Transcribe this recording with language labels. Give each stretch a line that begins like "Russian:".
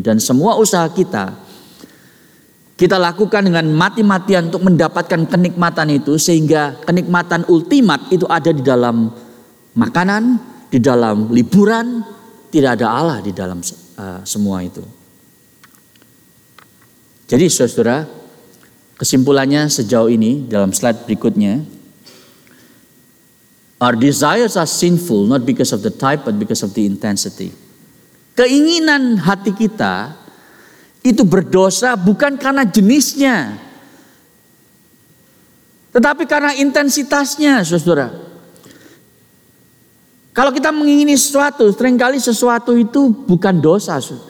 Indonesian: Dan semua usaha kita, kita lakukan dengan mati-matian untuk mendapatkan kenikmatan itu, sehingga kenikmatan ultimat itu ada di dalam makanan, di dalam liburan, tidak ada Allah di dalam semua itu. Jadi saudara, kesimpulannya sejauh ini dalam slide berikutnya.
English: Our desires are sinful not because of the type but because of the intensity.
Indonesian: Keinginan hati kita itu berdosa bukan karena jenisnya. Tetapi karena intensitasnya saudara. Kalau kita mengingini sesuatu, seringkali sesuatu itu bukan dosa.